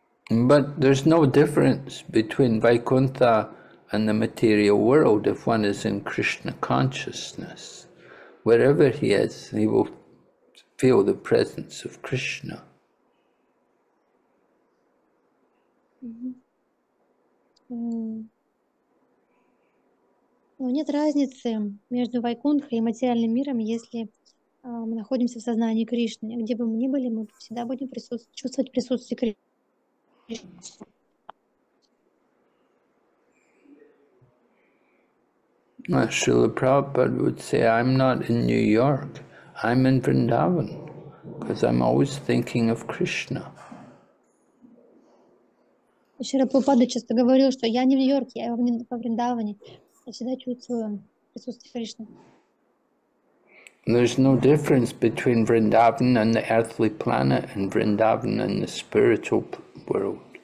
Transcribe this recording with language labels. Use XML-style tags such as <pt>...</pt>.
<en>But there's no difference between Vaikuntha and the material world if one is in Krishna consciousness. Wherever he is, he will feel the presence of Krishna.</en> <ru>Ну, нет разницы между Вайкунтхой и материальным миром, если мы находимся в сознании Кришны. Где бы мы ни были, мы всегда будем чувствовать присутствие Кришны.</ru> <en>Srila Prabhupada would say, I'm not in New York, I'm in Vrindavan, because I'm always thinking of Krishna.</en> <ru>Шрила Прабхупада часто говорил, что я не в Нью-Йорке, я не в Вриндаване. Я всегда чувствую присутствие Кришны.</ru> <en>There's no difference between Vrindavan and the earthly planet and Vrindavan and the spiritual world.</en>